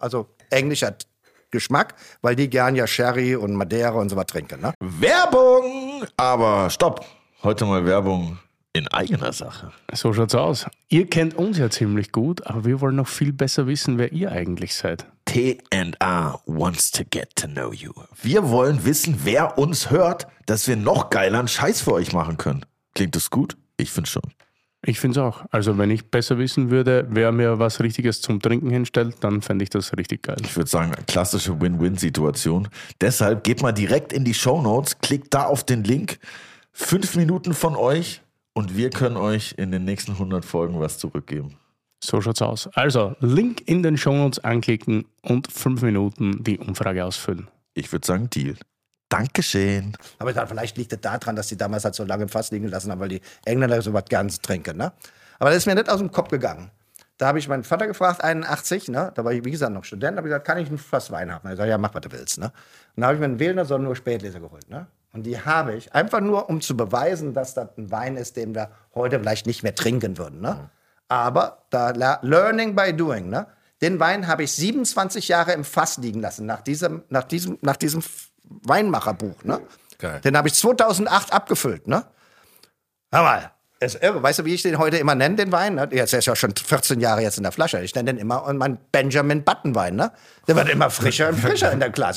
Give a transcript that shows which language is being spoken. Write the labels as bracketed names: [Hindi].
[German] Also englischer Geschmack, weil die gern ja Sherry und Madeira und so was trinken, ne? Werbung! Aber stopp! Heute mal Werbung. In eigener Sache. So schaut's aus. Ihr kennt uns ja ziemlich gut, aber wir wollen noch viel besser wissen, wer ihr eigentlich seid. [English] T&A wants to get to know you. [German] Wir wollen wissen, wer uns hört, dass wir noch geileren Scheiß für euch machen können. Klingt das gut? Ich find's schon. Ich find's auch. Also wenn ich besser wissen würde, wer mir was Richtiges zum Trinken hinstellt, dann fände ich das richtig geil. Ich würde sagen, klassische Win-Win-Situation. Deshalb geht mal direkt in die Shownotes, klickt da auf den Link. 5 Minuten von euch. Und wir können euch in den nächsten 100 Folgen was zurückgeben. So schaut's aus. Also, Link in den Shownotes anklicken und 5 Minuten die Umfrage ausfüllen. Ich würde sagen, Deal. Dankeschön. Aber dann, vielleicht liegt es daran, dass die damals halt so lange im Fass liegen lassen haben, weil die Engländer so was ganz trinken. Ne? Aber das ist mir nicht aus dem Kopf gegangen. Da habe ich meinen Vater gefragt, 81, ne? Da war ich, wie gesagt, noch Student, da habe ich gesagt, kann ich ein Fass Wein haben? Er hat gesagt, ja, mach, was du willst. Ne? Und da habe ich mir einen Wehlener Sonnenuhr Spätleser geholt, ne? Und die habe ich, einfach nur, um zu beweisen, dass das ein Wein ist, den wir heute vielleicht nicht mehr trinken würden. Ne? Mhm. Aber da learning by doing. Ne? Den Wein habe ich 27 Jahre im Fass liegen lassen, nach diesem Weinmacherbuch. Ne? Geil. Den habe ich 2008 abgefüllt, ne? Hör mal, ist irre. Weißt du, wie ich den heute immer nenne, den Wein? Jetzt ist ja schon 14 Jahre jetzt in der Flasche. Ich nenne den immer mein Benjamin Button Wein, ne? Der wird immer frischer und frischer in der Glas.